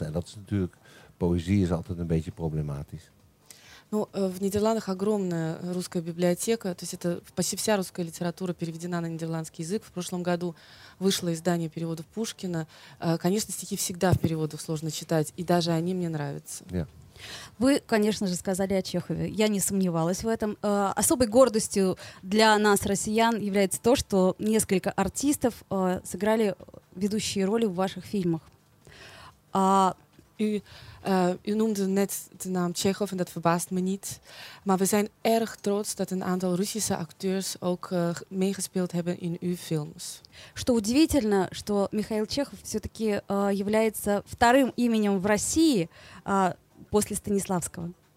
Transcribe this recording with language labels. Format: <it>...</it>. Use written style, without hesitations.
<nl>En dat is natuurlijk, poëzie is altijd een beetje problematisch.</nl> <ru>Ну, в Нидерландах огромная русская библиотека, то есть это почти вся русская литература переведена на нидерландский язык. В прошлом году вышло издание переводов Пушкина. Конечно, стихи всегда в переводах сложно читать, и даже они мне нравятся. Yeah. Вы, конечно же, сказали о Чехове. Я не сомневалась в этом. Особой гордостью для нас, россиян, является то, что несколько артистов сыграли ведущие роли в ваших фильмах.</ru> <nl>U noemde net de naam Tsjechov en dat verbaast me niet. Maar we zijn erg trots dat een aantal Russische acteurs ook meegespeeld hebben in uw films.</nl> <ru>Что удивительно, что Михаил Чехов все-таки является вторым именем в России после Станиславского.</ru>